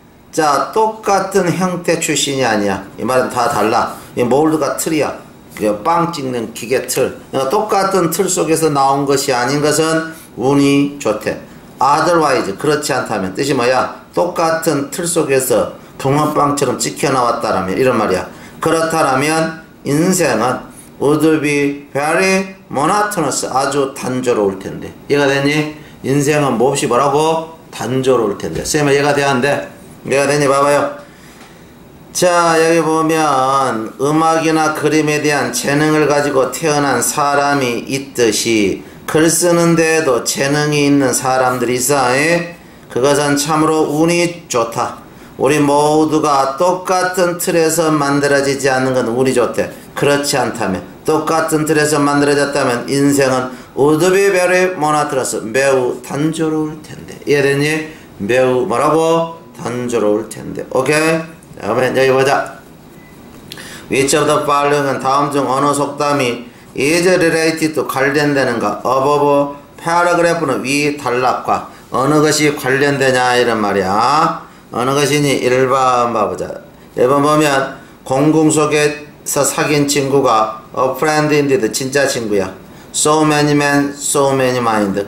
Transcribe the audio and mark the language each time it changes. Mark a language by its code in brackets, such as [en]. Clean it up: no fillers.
[ko] 자, 똑같은 형태 출신이 아니야. 이 말은 다 달라. 이 몰드가 틀이야. 그냥 빵 찍는 기계 틀. 그러니까 똑같은 틀 속에서 나온 것이 아닌 것은 운이 좋대. [en] Otherwise. [ko] 그렇지 않다면. 뜻이 뭐야? 똑같은 틀 속에서 붕어빵처럼 찍혀 나왔다라면 이런 말이야. 그렇다라면 인생은 [en] would be very monotonous. [ko] 아주 단조로울 텐데. 이해가 되니? 인생은 몹시 뭐라고? 단조로울 텐데. 선생님은 이해가 되는데? 이해가 되니? 봐봐요. 자, 여기 보면 음악이나 그림에 대한 재능을 가지고 태어난 사람이 있듯이 글 쓰는 데에도 재능이 있는 사람들이 있어. 그것은 참으로 운이 좋다. 우리 모두가 똑같은 틀에서 만들어지지 않는 건 운이 좋대. 그렇지 않다면, 똑같은 틀에서 만들어졌다면 인생은 우드비 베리 모나트러스. 매우 단조로울 텐데. 이해되니? 매우 뭐라고? 단조로울 텐데. 오케이? 그러면 여기 보자. [en] Which of the following은 [ko] 다음 중 어느 속담이 [en] is related to [ko] 관련되는가? [en] Above paragraph [ko] 는 위 단락과 어느 것이 관련되냐 이런 말이야. 어느 것이니? 1번 봐보자. 1번 보면 공궁 속에서 사귄 친구가 [en] a friend indeed. [ko] 진짜 친구야. [en] So many men, so many mind.